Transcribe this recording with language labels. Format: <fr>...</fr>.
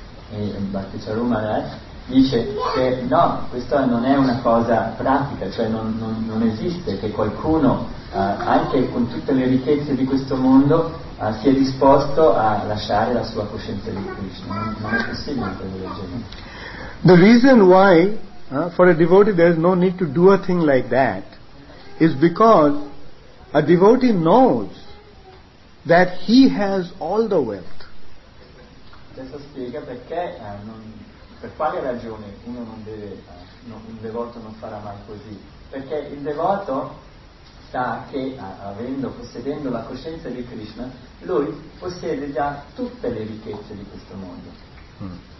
<it>E Bhaktisarumar dice che no, questa non è una cosa pratica, cioè non esiste che qualcuno, anche con tutte le ricchezze di questo mondo, sia disposto a lasciare la sua coscienza di Krishna. Non è possibile per il genere.</it> <en>The reason why for a devotee there is no need to do a thing like that is because a devotee knows that he has all the wealth.</en> <it>Adesso spiega perché per quale ragione uno non deve, un devoto non farà mai così? Perché il devoto sa che possedendo la coscienza di Krishna, lui possiede già tutte le ricchezze di questo mondo.</it>